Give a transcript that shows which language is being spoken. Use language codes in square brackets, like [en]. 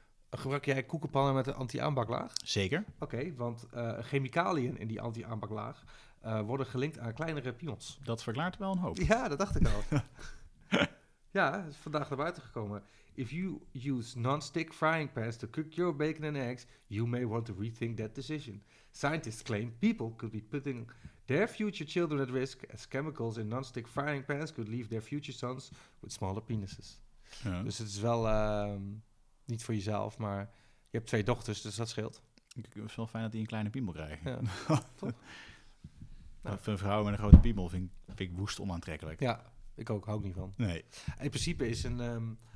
[nl] Gebruik jij koekenpannen met een anti-aanbaklaag? Zeker. Oké, want chemicaliën in die anti-aanbaklaag worden gelinkt aan kleinere pions. Dat verklaart wel een hoop. Ja, dat dacht ik al. Ja, is vandaag naar buiten gekomen. [en] If you use non-stick frying pans to cook your bacon and eggs, you may want to rethink that decision. Scientists claim people could be putting their future children at risk as chemicals in non-stick frying pans could leave their future sons with smaller penises. [nl] Ja. Dus het is wel niet voor jezelf, maar je hebt twee dochters, dus dat scheelt. Ik vind het wel fijn dat die een kleine piemel krijgen. Ja. Nou. Een vrouw met een grote piemel vind ik woest onaantrekkelijk. Ja, ik ook. Hou ik niet van. Nee. In principe is een...